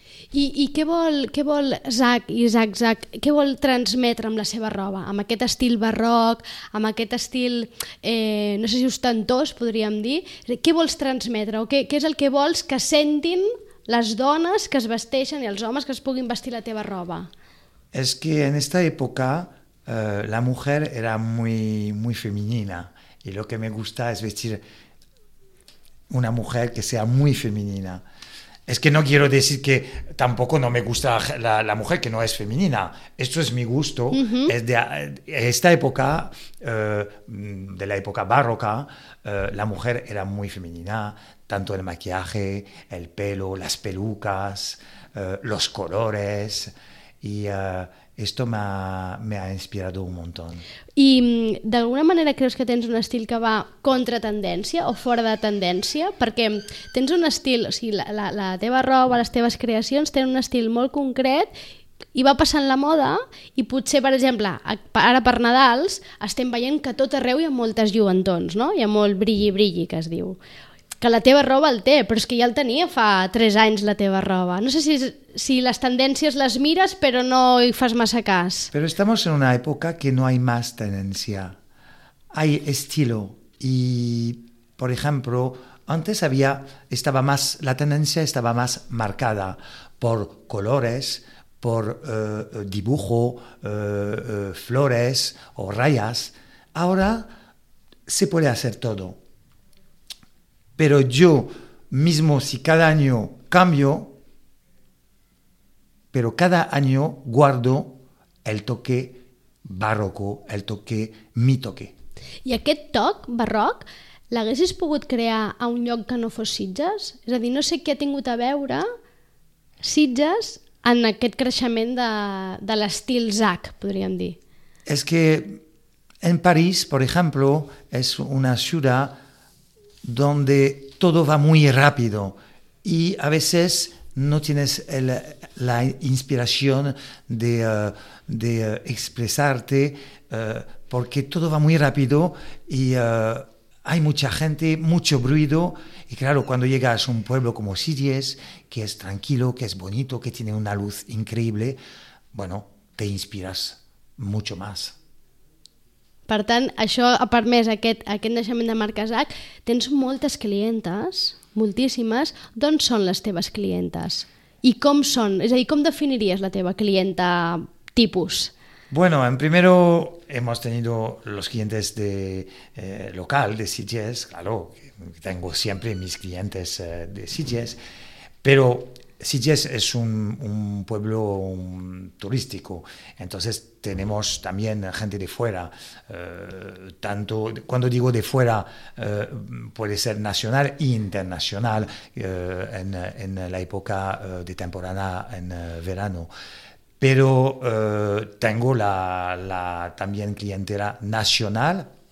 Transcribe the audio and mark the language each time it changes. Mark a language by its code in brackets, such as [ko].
[ca] I què vol Zac, què vol transmetre amb la seva roba? Amb aquest estil barroc, amb aquest estil, no sé si ostentós, podríem dir, què vols transmetre? O què és el que vols que sentin les dones que es vesteixen i els homes que es puguin vestir la teva roba? És que en aquesta època [es] la mujer era muy, muy femenina y lo que me gusta es vestir una mujer que sea muy femenina. Es que no quiero decir que tampoco no me gusta la mujer que no es femenina. Esto es mi gusto. Uh-huh. Es de esta época, de la época barroca, la mujer era muy femenina. Tanto el maquillaje, el pelo, las pelucas, los colores. Y esto me ha inspirado un montón. [ca] I d'alguna manera creus que tens un estil que va contra tendència o fora de tendència? Perquè tens un estil, o sigui, la teva roba, les teves creacions tenen un estil molt concret i va passant la moda i potser, per exemple, ara per Nadals estem veient que tot arreu hi ha moltes lluentons, no? Hi ha molt brilli-brilli, que es diu. Que la teva roba el té, però és que ja el tenia fa 3 anys la teva roba. No sé si les tendències les mires, però no hi fas massa cas. Però estem en una època que no hi ha més tendència. Hi ha estil. I, per exemple, [es] antes [ca] la tendència estava més marcada per colors, per [es] dibujo, flores o rayas. [ca] Ara se pot fer tot. [es] Pero yo mismo, si cada año cambio, pero cada año guardo el toque barroco, el toque, mi toque. [ca] I aquest toc barroc l'haguessis pogut crear a un lloc que no fos Sitges? És a dir, no sé què ha tingut a veure Sitges en aquest creixement de l'estil Zac, podríem dir. És que en París, per exemple, és una ciutat [es] donde todo va muy rápido y a veces no tienes la inspiración de expresarte porque todo va muy rápido y hay mucha gente, mucho ruido. Y claro, cuando llegas a un pueblo como Sitges, que es tranquilo, que es bonito, que tiene una luz increíble, bueno, te inspiras mucho más. [ca] Per tant, això ha permès aquest naixement de marca Zac. Tens moltes clientes, moltíssimes. D'on són les teves clientes? I com són? És a dir, com definiries la teva clienta tipus? [es] Bueno, en primer hemos tenido los clientes de local, de Sitges. Claro, tengo siempre mis clientes de Sitges. Pero Sitges es un pueblo turístico, entonces tenemos también gente de fuera, tanto, cuando digo de fuera, puede ser nacional e internacional, en la época de temporada, en verano, pero tengo la también clientela nacional,